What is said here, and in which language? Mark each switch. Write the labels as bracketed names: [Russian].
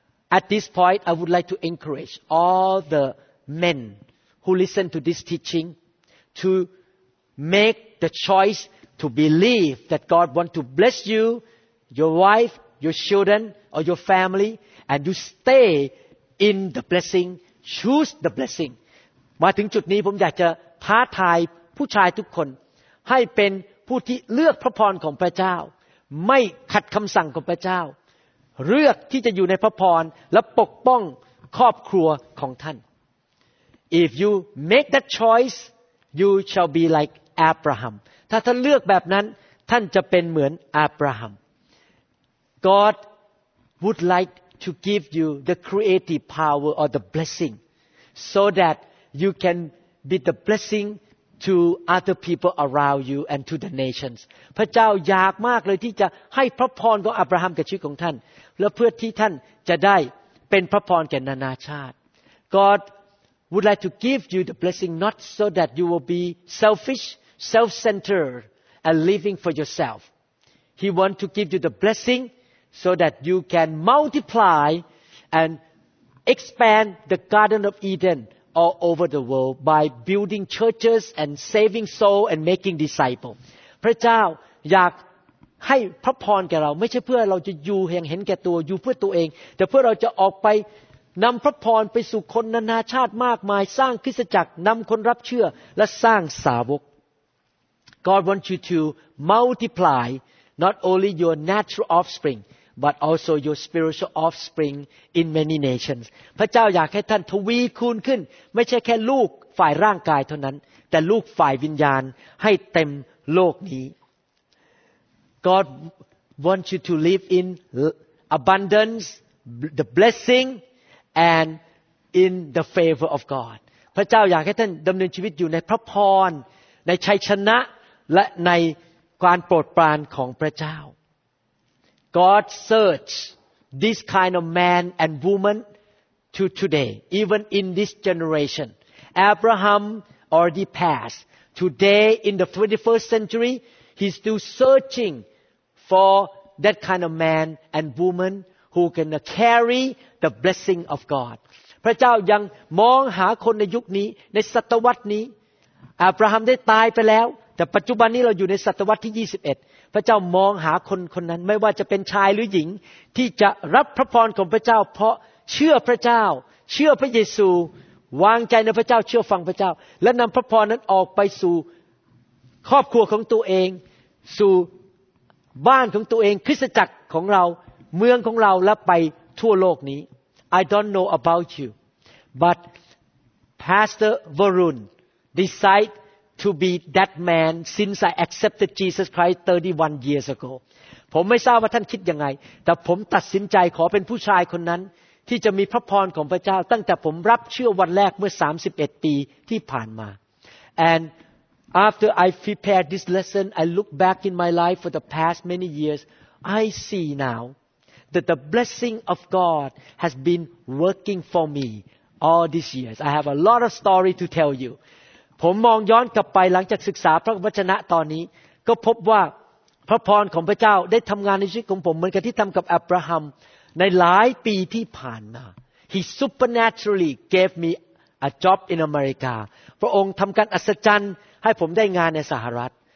[English] At this point, I would like to encourage all the men who listen to this teaching to. Make the choice to believe that God wants to bless you, your wife, your children, or your family, and you stay in the blessing. Choose the blessing. [Thai] มาถึงจุดนี้ผมอยากจะท้าทายผู้ชายทุกคนให้เป็นผู้ที่เลือกพระพรของพระเจ้าไม่ขัดคำสั่งของพระเจ้าเลือกที่จะอยู่ในพระพรและปกป้องครอบครัวของท่าน [English] If you make that choiceYou shall be like Abraham. [Thai] ถ้าท่านเลือกแบบนั้นท่านจะเป็นเหมือนอับราฮัม [English] God would like to give you the creative power or the blessing so that you can be the blessing to other people around you and to the nations. [Thai] พระเจ้าอยากมากเลยที่จะให้พระพรของอับราฮัมกับชีวิตของท่านและเพื่อที่ท่านจะได้เป็นพระพรแก่นานาชาติ [English] GodWould like to give you the blessing not so that you will be selfish, self-centered, and living for yourself. He wants to give you the blessing so that you can multiply and expand the Garden of Eden all over the world by building churches and saving souls and making disciples. [Thai] พระเจ้าอยากให้พระพรแก่เราไม่ใช่เพื่อเราจะอยู่แห่งเห็นแก่ตัวอยู่เพื่อตัวเองแต่เพื่อเราจะออกไปนำพระพรไปสู่คนนานาชาติมากมายสร้างคริสตจักรนำคนรับเชื่อและสร้างสาวก [English] God wants you to multiply not only your natural offspring but also your spiritual offspring in many nations [Thai] พระเจ้าอยากให้ท่านทวีคูณขึ้นไม่ใช่แค่ลูกฝ่ายร่างกายเท่านั้นแต่ลูกฝ่ายวิญญาณให้เต็มโลกนี้ [English] God wants you to live in abundance the blessingand in the favor of God [Thai] พระเจ้าอยากให้ท่านดำเนินชีวิตอยู่ในพระพรในชัยชนะและในการโปรดปรานของพระเจ้า [English] God search this kind of man and woman to today even in this generation Abraham already passed today in the 21st century he's still searching for that kind of man and womanwho can carry the blessing of God. [Thai] พระเจ้ายังมองหาคนในยุคนี้ในศตวรรษนี้อับราฮัมได้ตายไปแล้วแต่ปัจจุบันนี้เราอยู่ในศตวรรษที่21พระเจ้ามองหาคนคนนั้นไม่ว่าจะเป็นชายหรือหญิงที่จะรับพระพรของพระเจ้าเพราะเชื่อพระเจ้าเชื่อพระเยซูวางใจในพระเจ้าเชื่อฟังพระเจ้าและนำพระพรนั้นออกไปสู่ครอบครัวของตัวเองสู่บ้านของตัวเองคริสตจักรของเราเมืองของเราและไปทั่วโลกนี้ [English] I don't know about you but Pastor Varun decided to be that man since I accepted Jesus Christ 31 years ago [Thai] ผมไม่ทราบว่าท่านคิดยังไงแต่ผมตัดสินใจขอเป็นผู้ชายคนนั้นที่จะมีพระพรของพระเจ้าตั้งแต่ผมรับเชื่อวันแรกเมื่อ31ปีที่ผ่านมา [English] and after I prepared this lesson I look back in my life for the past many years I see nowThat the blessing of God has been working for me all these years. I have a lot of story to tell you. [Thai] ผมมองย้อนกลับไปหลังจากศึกษาพระวจนะตอนนี้ก็พบว่าพระพรของพระเจ้าได้ทำงานในชีวิตของผมเหมือนกับที่ทำกับอับราฮัมในหลายปีที่ผ่านมา [English] He supernaturally gave me a job in America. [Thai] พระองค์ทำการอัศจรรย์ให้ผมได้งานในสหรัฐ